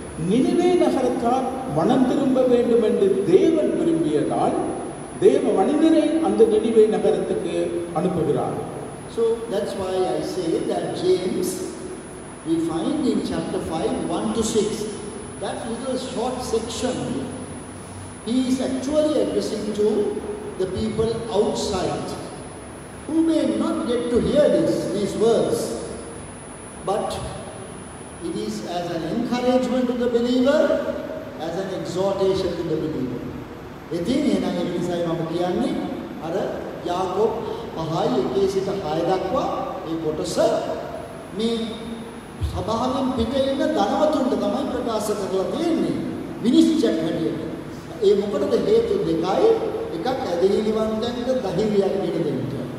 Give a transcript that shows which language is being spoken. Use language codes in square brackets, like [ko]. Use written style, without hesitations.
[ta] நினிவே நகரத்தால் மனம் திரும்ப வேண்டும் என்று தேவன் விரும்பியதால் தேவ மனிதரை அந்த நினிவே நகரத்துக்கு அனுப்புகிறார். [en] So that's why I say that James, we find in chapter 5, 1 to 6, that little short section, he is actually addressing to the people outside. Who may not get to hear this, these words, but it is as an encouragement to the believer, as an exhortation to the believer. [si] ඉතින් එහෙනම් ඒ නිසායි මම කියන්නේ අර යාකොබ් 5:1 සිට 6 දක්වා මේ කොටස මේ සභාවෙන් පිට ඉන්න ධනවතුන්ට තමයි ප්‍රකාශ කරලා තියෙන්නේ විනිශ්චයක් හැටියට. ඒ මොකටද හේතු දෙකයි, එකක් ඇදහිලිවන්තයන්ට දහිරියක් දෙන්නට.